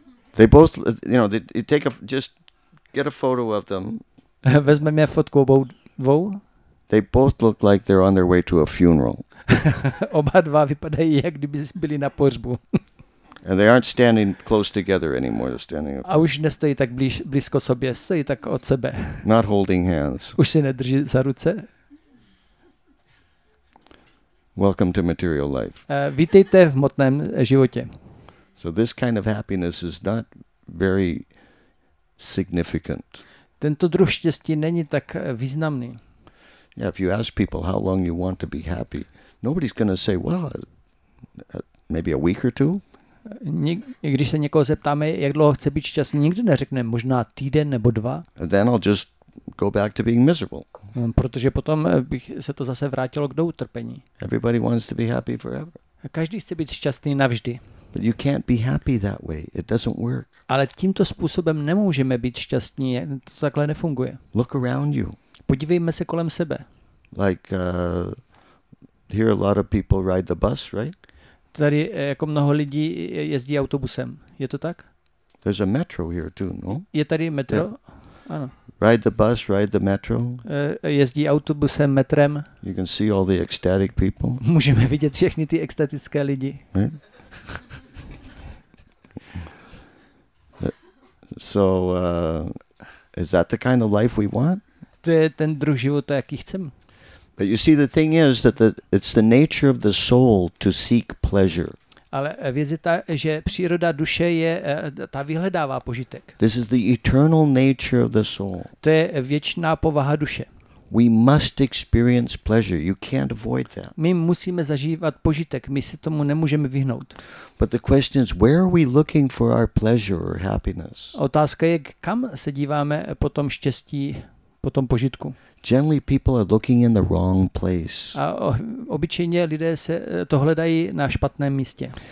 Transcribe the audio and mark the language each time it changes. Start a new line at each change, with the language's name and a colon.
English: They both, you know, you take a, just get a photo of them.
Czech: Vezmeme fotku obou dvou.
English: They both look like they're on their way to a funeral.
Czech: Oba dva vypadají, jak kdyby byli na pohřbu.
English: And they aren't standing close together anymore. They're standing up.
Czech: A už nestojí tak blízko sobě, stojí tak od sebe.
English: Not holding hands.
Czech: Už si nedrží za ruce.
English: Welcome to material life.
Czech: Vítejte v hmotném životě.
English: So this kind of happiness is not very significant.
Czech: Tento druh štěstí není tak významný.
English: Yeah, if you ask people how long you want to be happy, nobody's going to say, well, maybe a week or two.
Czech: Když se někoho zeptáme, jak dlouho chce být šťastný, nikdo neřekne, možná týden nebo dva.
English: Then I'll just go back to being miserable.
Czech: Protože potom bych se to zase vrátilo k doutrpení.
English: Everybody wants to be happy forever.
Czech: Každý chce být šťastný navždy.
English: But you can't be happy that way. It doesn't work.
Czech: Ale tímto způsobem nemůžeme být šťastní. To takhle nefunguje.
English: Look around you.
Czech: Podívejme se kolem sebe.
English: Like here a lot of people ride the bus, right?
Czech: Tady jako mnoho lidí jezdí autobusem. Je to tak?
English: There's a metro here too, no?
Czech: Je tady metro? Yeah. Ano.
English: Ride the bus, ride the metro.
Czech: Jezdí autobusem, metrem.
English: You can see all the ecstatic people.
Czech: Můžeme vidět všechny ty extatické lidi.
English: Right? So is that the kind of life we want?
Czech: To je ten druh života, jaký chceme.
English: But you see, the thing is that it's the nature of the soul to seek pleasure.
Czech: Ale věc je ta, že příroda duše je ta vyhledává požitek.
English: This is the eternal nature of the soul.
Czech: To je věčná povaha duše.
English: We must experience pleasure. You can't avoid that.
Czech: My musíme zažívat požitek. My se tomu nemůžeme vyhnout.
English: But the question is, where are we looking for our pleasure or happiness?
Czech: Otázka je, kam se díváme po tom štěstí, po tom požitku.
English: Generally, people are looking in the wrong place.
Czech: A obyčejně lidé se to hledají na špatném místě.